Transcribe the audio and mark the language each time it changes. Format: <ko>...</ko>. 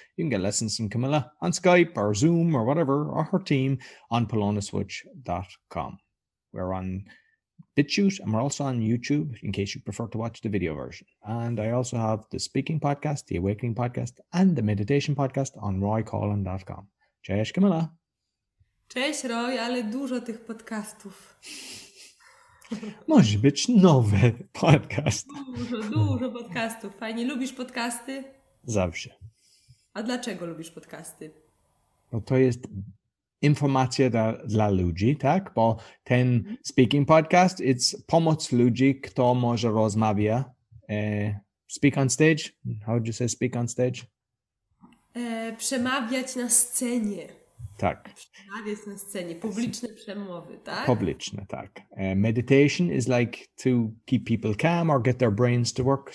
<en>You can get lessons from Camilla on Skype or Zoom or whatever, or her team on polonaswitch.com. We're on BitChute, and we're also on YouTube in case you prefer to watch the video version. And I also have the speaking podcast, the awakening podcast, and the meditation podcast on roycolan.com.</en> <pl>Cześć, Kamila. Cześć, Roy, ale dużo tych podcastów. Może być nowy podcast. Dużo podcastów. Fajnie, lubisz podcasty? Zawsze. A dlaczego lubisz podcasty? No to jest informacja dla ludzi, tak? Bo ten speaking podcast, it's pomoc ludzi, kto może rozmawia.</pl> <en>Speak on stage? How do you say speak on stage?</en> <pl>Przemawiać na scenie. Tak. Przemawiać na scenie. Publiczne przemowy, tak? Publiczne, tak.</pl> <en>Meditation is like to keep people calm or get their brains to work.</en>